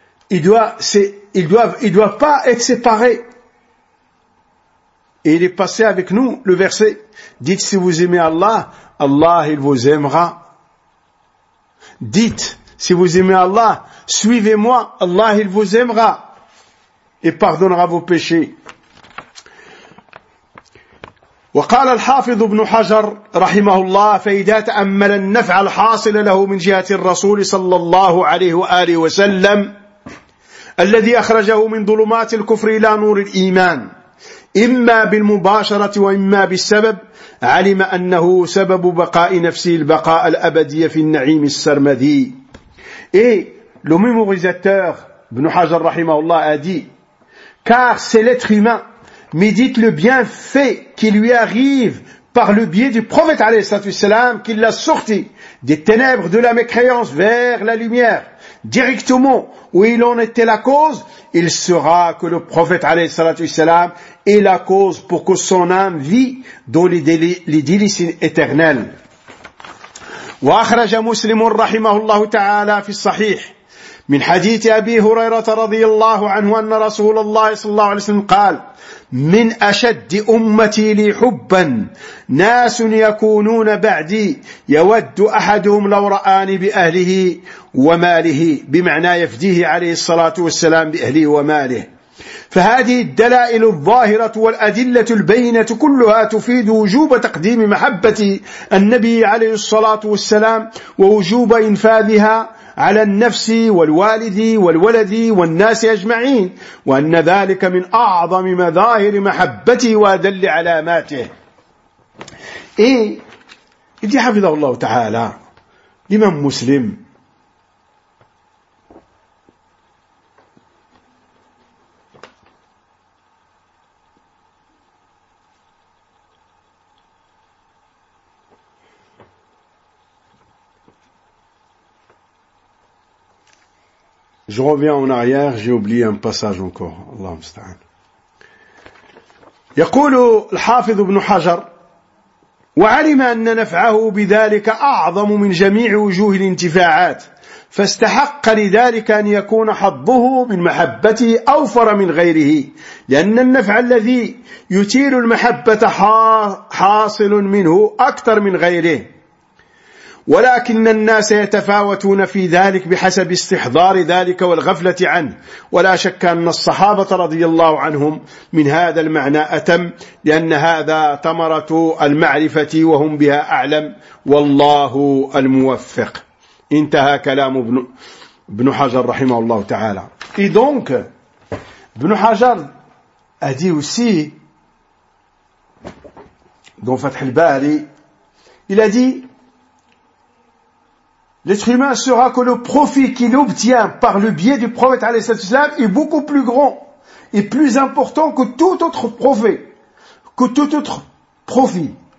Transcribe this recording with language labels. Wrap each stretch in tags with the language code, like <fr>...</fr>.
<fr>Ils doivent pas être séparés. Et il est passé avec nous le verset. Dites si vous aimez Allah, Allah il vous aimera. Dites si vous aimez Allah, suivez-moi, Allah il vous aimera et pardonnera vos péchés.</fr> <ar>وقال الحافظ ابن حجر رحمه الله فإذا تأمل النفع الحاصل له من جهة الرسول صلى الله عليه وآله وسلم الذي أخرجه من ظلمات الكفر إلى نور الإيمان إما بالمباشرة وإما بالسبب علم أنه سبب بقاء نفسه البقاء الأبدي في النعيم السرمدي. إيه لميموريزاتور ابن حجر رحمه الله أدي</ar> <fr>car c'est l'être humain médite le bienfait qui lui arrive par le biais du prophète alayhi salam qui l'a sorti des ténèbres de la mécréance vers la lumière directement où il en était la cause. Il saura que le prophète alayhi salam est la cause pour que son âme vit dans l'idylle éternelle.</fr> <ar>Wa akhraja muslim rahimahullah ta'ala fi sahih min hadith abi hurayra radiyallahu anhu anna rasulullah sallallahu alayhi wasallam qala من أشد أمتي لي حبا ناس يكونون بعدي يود أحدهم لو رآني بأهله وماله بمعنى يفديه عليه الصلاة والسلام بأهله وماله. فهذه الدلائل الظاهرة والأدلة البينة كلها تفيد وجوب تقديم محبة النبي عليه الصلاة والسلام ووجوب إنفاذها على النفس والوالد والولد والناس أجمعين وأن ذلك من أعظم مظاهر محبته وأدل علاماته. إيه إدي حفظه الله تعالى لمن مسلم</ar> <fr>je reviens en arrière, j'ai oublié un passage encore.</fr> <ar>Allah musta'an. يقول الحافظ ابن حجر وعلم أن نفعه بذلك أعظم من جميع وجوه الانتفاعات فاستحق لذلك أن يكون حظه من محبته أوفر من غيره لأن النفع الذي يثير المحبة حاصل منه أكثر من غيره ولكن الناس يتفاوتون في ذلك بحسب استحضار ذلك والغفلة عنه ولا شك أن الصحابة رضي الله عنهم من هذا المعنى أتم لأن هذا ثمرة المعرفة وهم بها أعلم والله الموفق. انتهى كلام ابن Ibn Hajar rahimahullah ta'ala.</ar> <fr>Et donc, Ibn Hajar a dit aussi, dans Fath al-Bari, il a dit, l'être humain saura que le profit qu'il obtient par le biais du prophète alayhi salam est beaucoup plus grand et plus important que tout autre profit, que tout autre profit.</fr>